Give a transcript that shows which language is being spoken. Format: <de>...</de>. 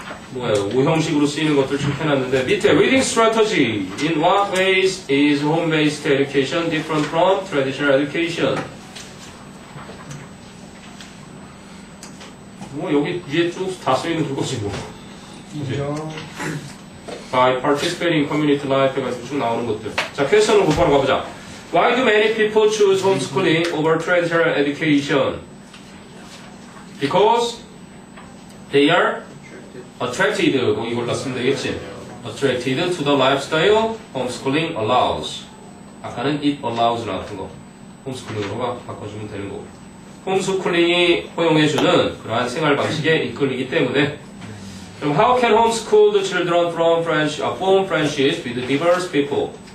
<ko>뭐야, 5형식으로 쓰이는 것들 좀 해놨는데 밑에</ko> <en>Reading Strategy In what ways is home-based education different from traditional education?</en> <ko>뭐 여기 위에 쭉 다 쓰이는 그거지 뭐. 인정.</ko> <en>By participating in community life</en> <ko>가지고 쭉 나오는 것들. 자, 퀘스천을 곧바로 가보자.</ko> <en>Why do many people choose homeschooling over traditional education? Because they are attracted.</en> <ko>이걸 갔으면 되겠지.</ko> <en>Attracted to the lifestyle homeschooling allows.</en> <ko>아까는</ko> <en>it allows</en> <ko>라는 거. 홈스쿨링으로 바꿔주면 되는 거고. 홈스쿨링이 허용해주는 그러한 생활 방식에 이끌리기 때문에. 그럼</ko> <en>how can homeschool the children from friendships with diverse people?</en>